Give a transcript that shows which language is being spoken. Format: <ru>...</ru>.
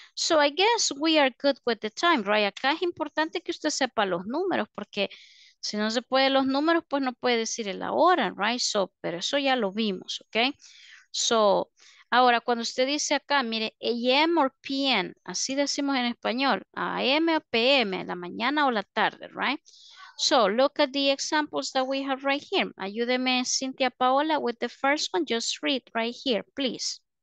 <en>So I guess we are good with the time, right?</en> <es>Acá es importante que usted sepa los números porque si no se puede los números, pues no puede decir la hora, right? So, pero eso ya lo vimos, okay? So, ahora, cuando usted dice acá, mire, AM or PM, así decimos en español, AM o PM, la mañana o la tarde, right?</es> <en>So, look at the examples that we have right here. Ayúdeme, Cynthia Paola, with the first one, just read right here, please.</en>